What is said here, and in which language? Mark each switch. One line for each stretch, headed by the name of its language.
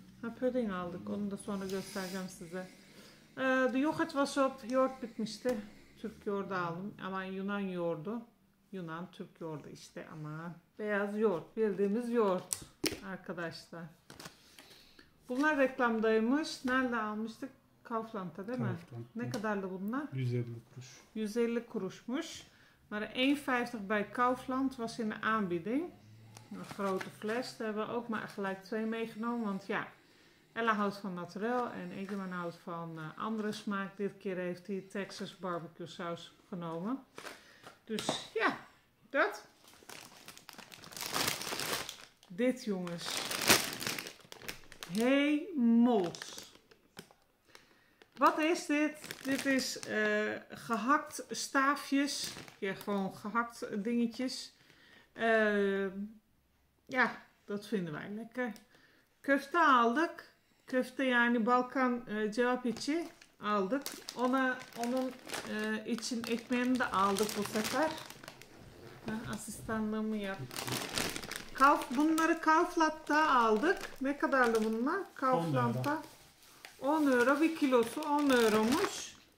Turkish: Ha, pudding aldık, onu da sonra göstereceğim size.
Dutch: De yoghurt was op,
Turkish: yoğurt bitmişti. Türk yoğurdu aldım ama Yunan yoğurdu. Yunan Türk yoğurdu işte ama. Beyaz yoğurt, bildiğimiz yoğurt arkadaşlar. Bunlar reklamdaymış. Nerede almıştık? Kaufland'da değil mi? Kaufland'da. Ne kadardı bunlar? 150 kuruş. 150 kuruşmuş.
Dutch: Maar 1,50 bij Kaufland was in de aanbieding. Een grote fles. Daar hebben we ook maar gelijk twee meegenomen. Want ja, Ella houdt van naturel en Ingeman houdt van andere smaak. Dit keer heeft hij Texas barbecue saus genomen. Dus ja, dat. Dit jongens. Hey mols. Wat is dit? Dit is gehakt staafjes. Ja, gewoon gehakt dingetjes. Ja, dat vinden wij lekker.
Turkish: Köfte aldık. Köfte yani Balkan cevap içi aldık. Onun için ekmeğini de aldık bu sefer. Ben asistanlığımı yaptım. Bunları Kaufland'da aldık. Ne kadardı bunlar? Kaufland'da. 10 euro bir kilosu, 10 euromuş.